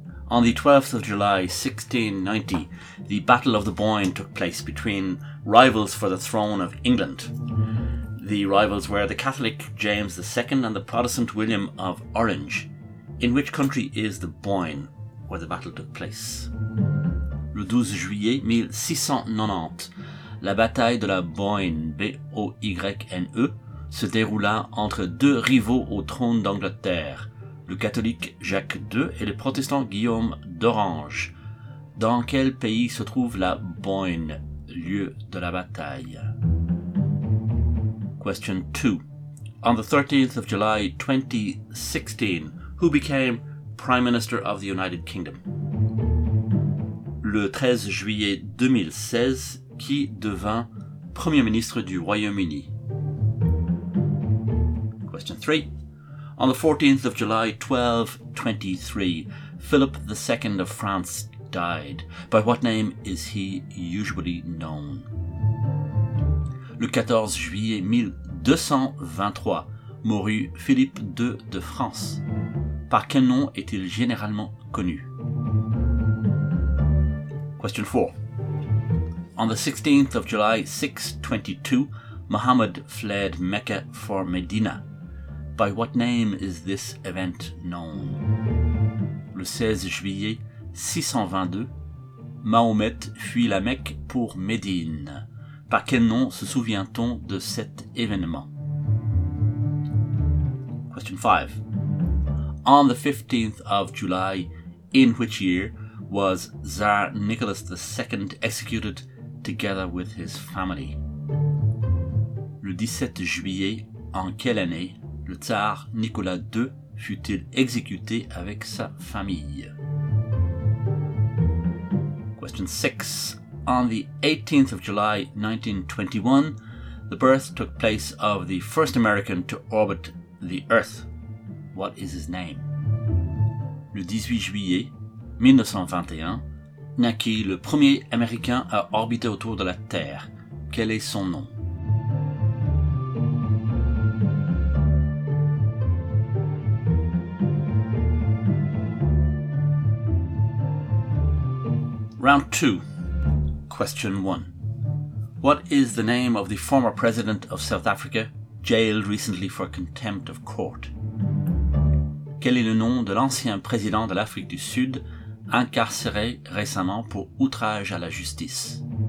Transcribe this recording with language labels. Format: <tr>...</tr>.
<en>On the 12th of July 1690, the Battle of the Boyne took place between rivals for the throne of England. The rivals were the Catholic James II and the Protestant William of Orange. In which country is the Boyne, where the battle took place?</en> <fr>Le 12 juillet 1690, la bataille de la Boyne, B-O-Y-N-E, se déroula entre deux rivaux au trône d'Angleterre, le catholique Jacques II et le protestant Guillaume d'Orange. Dans quel pays se trouve la Boyne, lieu de la bataille?</fr> <en>Question 2. On the 13th of July 2016, who became Prime Minister of the United Kingdom?</en> <fr>Le 13 juillet 2016, qui devint Premier ministre du Royaume-Uni?</fr> <en>Question 3. On the 14th of July 1223, Philip II of France died. By what name is he usually known?</en> <fr>Le 14 juillet 1223, mourut Philippe II de France. Par quel nom est-il généralement connu?</fr> <en>Question 4. On the 16th of July 622, Muhammad fled Mecca for Medina. By what name is this event known?</en> <fr>Le 16 juillet 622, Mahomet fuit la Mecque pour Médine. Par quel nom se souvient-on de cet événement?</fr> <en>Question 5. On the 15th of July, in which year, was Tsar Nicholas II executed together with his family?</en> <fr>Le 17 juillet, en quelle année, le Tsar Nicolas II fut-il exécuté avec sa famille?</fr> <en>Question 6. On the 18th of July, 1921, the birth took place of the first American to orbit the Earth. What is his name?</en> <fr>Le 18 juillet 1921, naquit le premier Américain à orbiter autour de la Terre. Quel est son nom?</fr> <en>Round 2. Question 1. What is the name of the former president of South Africa, jailed recently for contempt of court?</en> <fr>Quel est le nom de l'ancien président de l'Afrique du Sud, incarcéré récemment pour outrage à la justice?</fr>